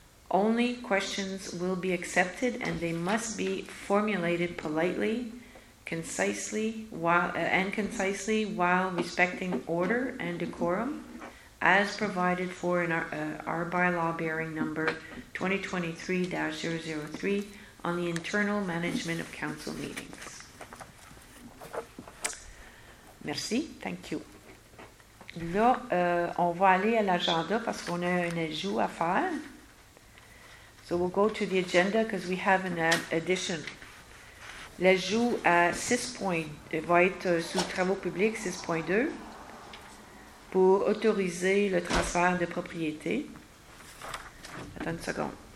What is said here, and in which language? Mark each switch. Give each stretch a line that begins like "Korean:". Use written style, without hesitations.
English: Only questions will be accepted and they must be formulated politely, concisely while respecting order and decorum as provided for in our bylaw bearing number 2023-003 on the internal management of council meetings.
French: Merci.
English: Thank you.
French: Là, on va aller à l'agenda parce qu'on a un ajout à faire.
English: So we'll go to the agenda because we have an addition.
French: L'ajout à 6.2 va être sous travaux publics 6.2 pour autoriser le transfert de propriété. Attends une seconde.